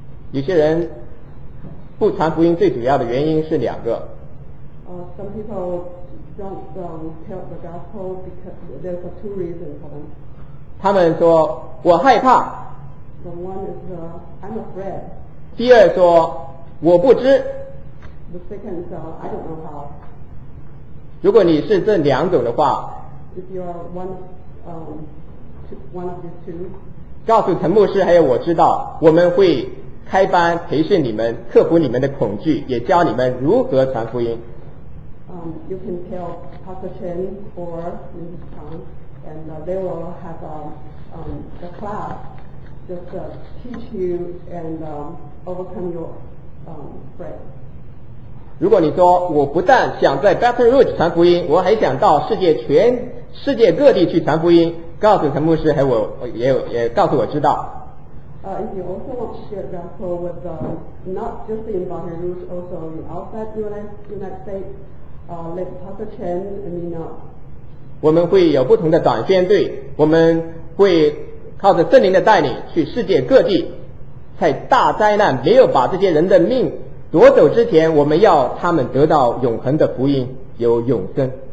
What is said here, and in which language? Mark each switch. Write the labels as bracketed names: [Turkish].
[Chinese] 有些人不传福音最主要的原因是两个。 [English] Some people don't tell the gospel because there's two reasons for them. [Chinese] 他们说我害怕。 [English] The one is I'm afraid. [Chinese] 第二说我不知。 [English] The second is I don't know how. [Chinese] 如果你是这两种的话 [English] If you are one of the two, [Chinese] 告诉陈牧师还有我知道我们会开班培训你们克服你们的恐惧也教你们如何传福音 [English] You can tell Pastor Chen or Mrs. Chang and they will have a class just teach you and overcome your fear [Chinese] 如果你说我不但想在 Baton Rouge 传福音我还想到世界各地去传福音告诉陈牧师还我 也告诉我知道 [English] If you also want to share gospel with not just in Baton Rouge also in outside United States let Pastor Chen and me know [Chinese] 我们会有不同的短宣队我们会靠着圣灵的带领去世界各地在大灾难没有把这些人的命夺走之前我们要他们得到永恒的福音有永生